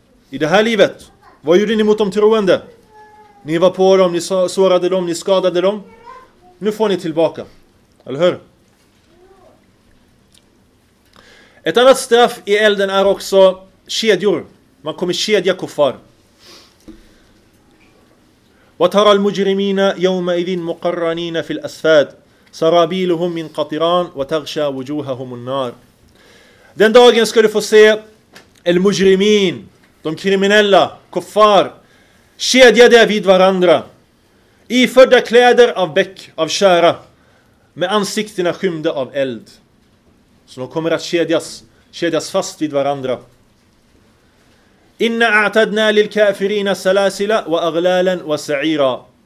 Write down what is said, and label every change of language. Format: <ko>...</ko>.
<sv>I det här livet, vad gjorde ni mot de troende? Ni var på dem, ni sårade dem, ni skadade dem. Nu får ni tillbaka. Eller hur? Ett annat straff i elden är också kedjor. Man kommer kedja kuffar.</sv> <ar>وترى المجرمين يومئذ مقرنين في الأسفاد سرابيلهم من قطران وتغشى وجوههم النار.</ar> <sv>Den dagen ska du få se el mujrimin, de kriminella, kuffar, kedjade vid varandra, iförda kläder av bäck, av kära, med ansiktena skymda av eld. Så de kommer att kedjas fast vid varandra. Inna a'tadna lil kafirina salasila wa aghlalan wa sa'ira.</sv>